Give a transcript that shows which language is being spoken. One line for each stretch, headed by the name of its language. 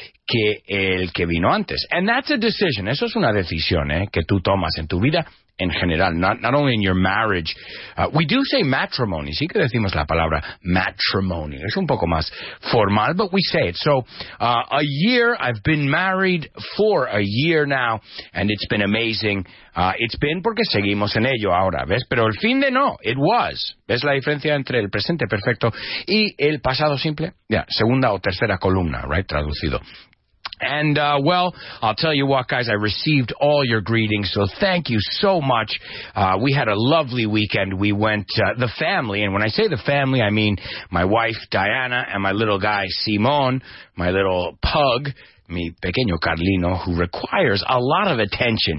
Spanish: que el que vino antes.
English: And that's a decision.
Spanish: Eso es una decisión, ¿eh?, que tú tomas en tu vida en general,
English: not only in your marriage. We do say matrimony.
Spanish: Sí que decimos la palabra matrimony. Es un poco más formal,
English: but we say it. So, a year, I've been married for a year now, and it's been amazing. It's been,
Spanish: porque seguimos en ello ahora, ¿ves? Pero el fin de no,
English: it was.
Spanish: ¿Ves la diferencia entre el presente perfecto y el pasado simple? Yeah, segunda o tercera columna, right, traducido.
English: And, well, I'll tell you what, guys, I received all your greetings, so thank you so much. We had a lovely weekend. We went, the family, and when I say the family, I mean my wife, Diana, and my little guy, Simon, my little pug,
Spanish: mi pequeño Carlino,
English: who requires a lot of attention.